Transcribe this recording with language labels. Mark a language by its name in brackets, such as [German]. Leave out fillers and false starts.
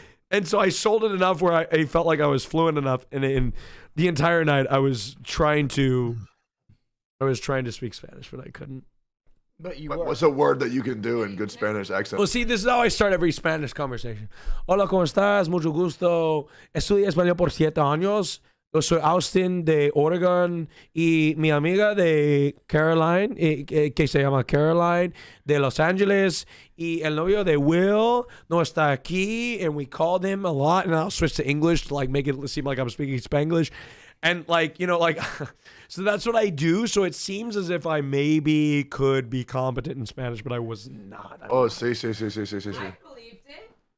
[English] And so I sold it enough where I felt like I was fluent enough. And in the entire night, I was trying to speak Spanish, but I couldn't. But you were. What's a word that you can do in good Spanish accent? Well, see, this is how I start every Spanish conversation. [Spanish] Hola, ¿cómo estás? Mucho gusto. Estudié español por 7 años. Yo soy Austin de Oregon y mi amiga de Caroline, que se llama Caroline, de Los Angeles. Y el novio de Will no está aquí, and we called him a lot. [English] And I'll switch to English to like make it seem like I'm speaking Spanglish. And like, you know, like, so that's what I do. So it seems as if I maybe could be competent in Spanish, but I was not. [Spanish] Oh, sí. [English] I believed it.